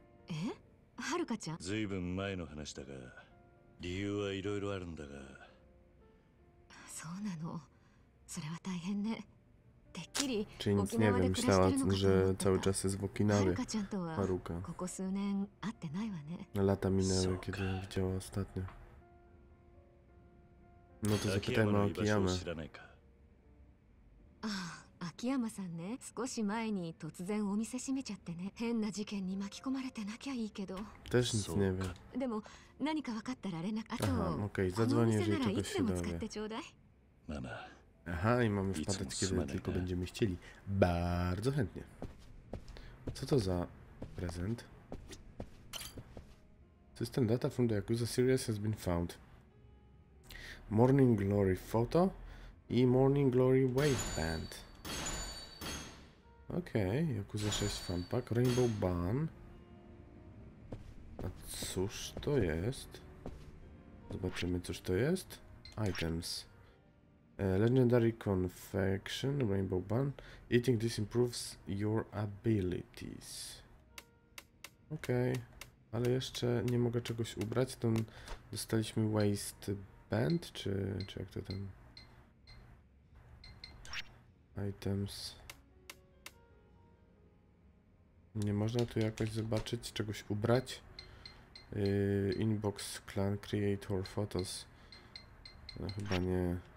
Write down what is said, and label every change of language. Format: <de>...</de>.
<ja>え？ハルカちゃん。ずいぶん前の話だが、理由はいろいろあるんだが。そうなの。それは大変ね。てっきり沖縄で暮らしてるのかと思った。じゃあ、całちゃんと沖縄で。ハルカちゃんとはここ数年会ってないわね。</ja> <pl>Lata minęły, kiedy widziała ostatnio. No to zapytajmy o Akiyama.</pl> <ja>ああ、Akiyama さんね、少し前に突然お店閉めちゃってね、変な事件に巻き込まれてなきゃいいけど。</ja> <pl>Też nic nie wiem.</pl> <ja>でも何か分かったら連絡。</ja> <pl>Aha, okej, zadzwonię, jeżeli czegoś się dowie.</pl> <ja>このお店ならいつでも使ってちょうだい。</ja> <pl>Mama. Aha, i mamy wpadać, kiedy tylko będziemy chcieli. Bardzo chętnie. Co to za prezent?</pl> <en>System data from the Yakuza series has been found. Morning Glory photo i Morning Glory wave band.</en> <pl>Okej, okay, Yakuza 6 fanpack, Rainbow Ban. A cóż to jest? Zobaczymy, cóż to jest. Items. Legendary Confection, Rainbow Bun.</pl> <en>Eating this improves your abilities.</en> <pl>Okej, okay. Ale jeszcze nie mogę czegoś ubrać. To dostaliśmy Waist Band, czy jak to tam?</pl> <en>Items.</en> <pl>Nie można tu jakoś zobaczyć, czegoś ubrać. Inbox Clan Creator Photos. No, chyba nie.</pl>